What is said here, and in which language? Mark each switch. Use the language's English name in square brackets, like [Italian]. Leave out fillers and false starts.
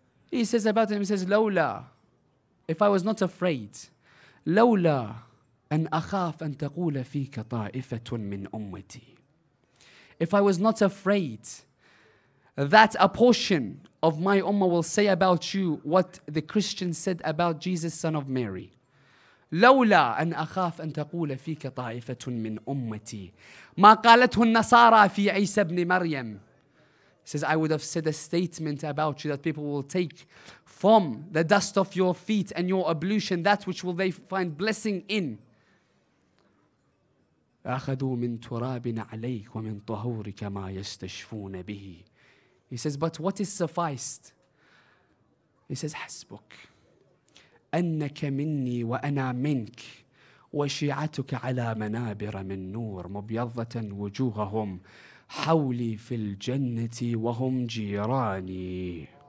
[English] He says about him, he says, Lawla, if I was not afraid, Lawla, [Arabic] أن أخاف أن تقول فيك طائفة من أمتي. [English] If I was not afraid that a portion of my ummah will say about you what the Christian said about Jesus, son of Mary. [Arabic] لولا أن أخاف أن تقول فيك طائفة من أمتي. ما قالته النصارى في عيسى بن مريم. [English] He says, I would have said a statement about you that people will take from the dust of your feet and your ablution that which will they find blessing in. [Arabic] أخذوا من ترابنا عليك ومن طهورك ما يستشفون به. [English] He says, but what is sufficed? He says, [Arabic] حسبك أنك مني وأنا منك وشيعتك على منابر من نور مبيضة وجوههم حولي في الجنة وهم جيراني.